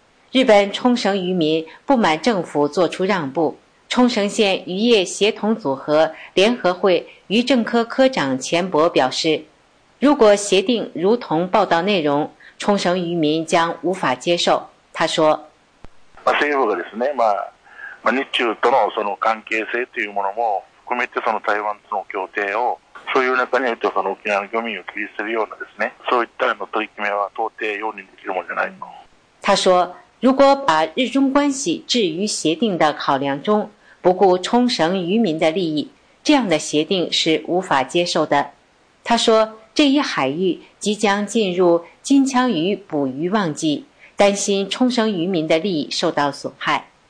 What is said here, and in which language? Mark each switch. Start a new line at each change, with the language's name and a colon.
Chinese: 日本冲绳渔民不满政府做出让步，冲绳县渔业协同组合联合会渔政科科长钱博表示，如果协定如同报道内容，冲绳渔民将无法接受。他说，
Japanese: 政府がですね、日中と の, その関係性というものも含めて、その台湾との協定をそういう中においては、その沖縄の漁民を切り捨てるようなですね、そういったの取り決めは到底容認できるものじゃないの。
Chinese: 他说，如果把日中关系置于协定的考量中，不顾冲绳渔民的利益，这样的协定是无法接受的。他说，这一海域即将进入金枪鱼捕鱼旺季，担心冲绳渔民的利益受到损害。